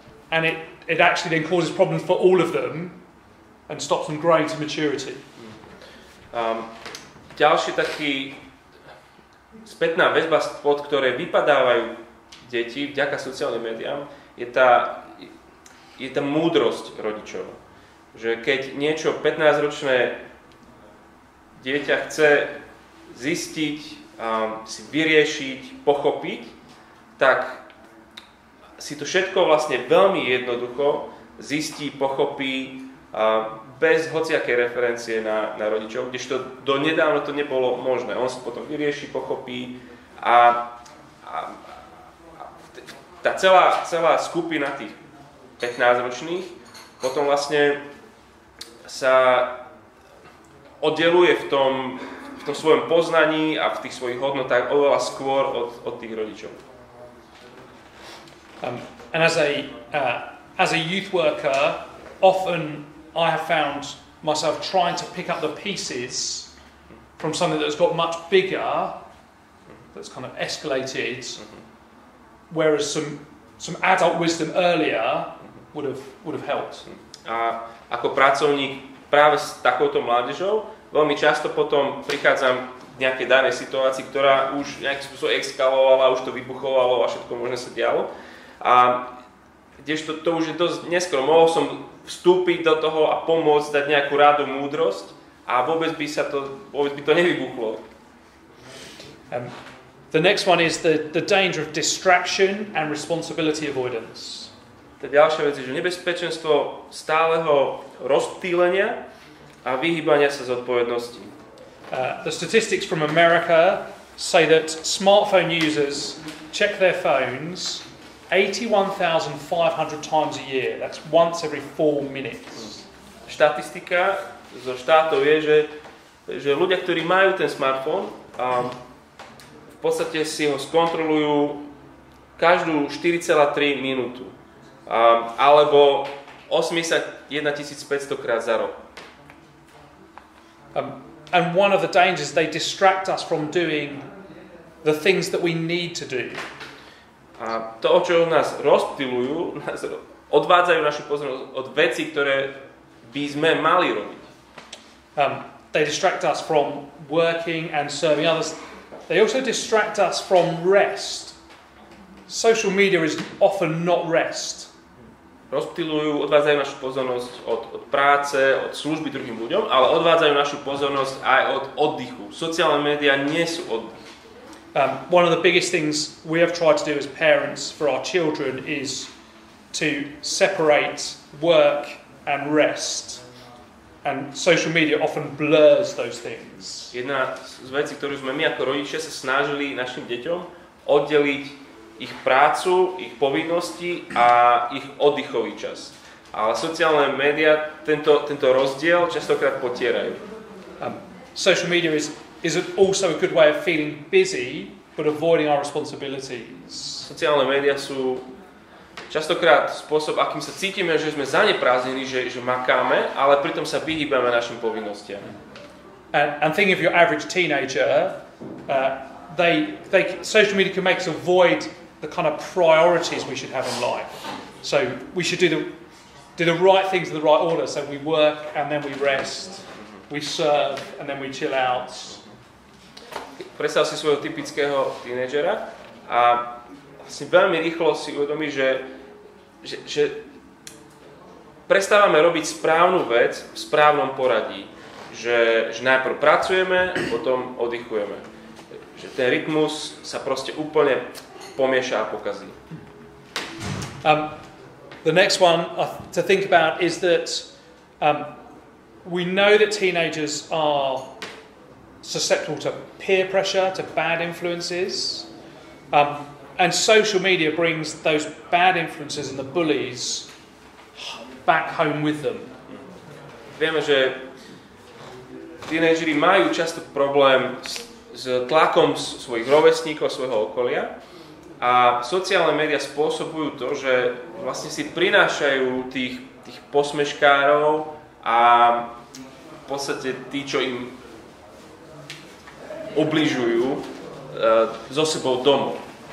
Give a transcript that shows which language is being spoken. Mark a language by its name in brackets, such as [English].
[English] And it actually then causes problems for all of them and stops them growing to maturity. [Slovak] Ďalšie taký spätná väzba, spod ktorej vypadávajú deti vďaka sociálnym médiám, je tá múdrosť rodičov. Že keď niečo 15-ročné dieťa chce zistiť, si vyriešiť, pochopiť, tak si to všetko vlastne veľmi jednoducho zistí, pochopí bez hociakej referencie na rodičov, kdežto donedávno to nebolo možné. On si potom vyrieši, pochopí a tá celá skupina tých 15-ročných potom vlastne sa oddeluje v tom svojom poznaní a v tých svojich hodnotách oveľa skôr od tých rodičov. [English] And as a youth worker, often I have found myself trying to pick up the pieces from something that has got much bigger, that's kind of escalated, whereas some adult wisdom earlier would have helped. [Slovak] A ako pracovník práve s takouto mládežou veľmi často potom prichádzam k nejakej danej situácii, ktorá už nejakým spôsobom eskalovala, už to vybuchovalo a všetko možné sa dialo. A kdežto to už je dosť neskoro. Mohol som vstúpiť do toho a pomôcť, dať nejakú rádu múdrosť a vôbec by to nevybuchlo. [English] The next one is the danger of distraction and responsibility avoidance. [Slovak] Tá ďalšia vec je, že nebezpečenstvo stáleho rozptýlenia a vyhýbania sa zodpovednosti. [English] The statistics from America say that smartphone users check their phones 81,500 times a year. That's once every 4 minutes. [Slovak] Štatistika zo štátov je, že ľudia, ktorí majú ten smartfón, v podstate si ho skontrolujú každú 4,3 minútu. Alebo 81,500 krát za rok. [English] And one of the dangers, they distract us from doing the things that we need to do. [Slovak] A to, o čo nás rozptýlujú, nás odvádzajú našu pozornosť od vecí, ktoré by sme mali robiť. [English] They distract us from working and serving others. They also distract us from rest. Social media is often not rest. [Slovak] Rozptýlujú, odvádzajú našu pozornosť od práce, od služby druhým ľuďom, ale odvádzajú našu pozornosť aj od oddychu. Sociálne médiá nie sú oddych. [English] One of the biggest things we have tried to do as parents for our children is to separate work and rest. And social media often blurs those things. [Slovak] Jedna z vecí, ktorú sme my ako rodičia sa snažili našim deťom oddeliť ich prácu, ich povinnosti a ich oddychový čas. Ale sociálne médiá tento rozdiel častokrát potierajú. [English] Social media is also a good way of feeling busy but avoiding our responsibilities. [Slovak] Sociálne médiá sú častokrát spôsob, akým sa cítime, že sme zaneprázdnení, že makáme, ale pritom sa vyhýbame našim povinnostiam. [English] And think of your average teenager, they social media can make us avoid the kind of priorities we should have in life. So we should do the right things in the right order. So we work and then we rest. We serve and then we chill out. [Slovak] Predstav si svojho typického tínedžera a si veľmi rýchlo si uvedomí, že prestávame robiť správnu vec v správnom poradí. Že najprv pracujeme, potom oddychujeme. Že ten rytmus sa proste úplne pomieša a pokazí. [English] The next one to think about is that we know that teenagers are susceptible to peer pressure, to bad influences. And social media brings those bad influences and the bullies back home with them. [Slovak] Vieme, že tínedžeri majú často problém s tlakom svojich rovesníkov, svojho okolia. A sociálne médiá spôsobujú to, že vlastne si prinášajú tých posmeškárov a v podstate tí, čo im ubližujú zo sebou domov.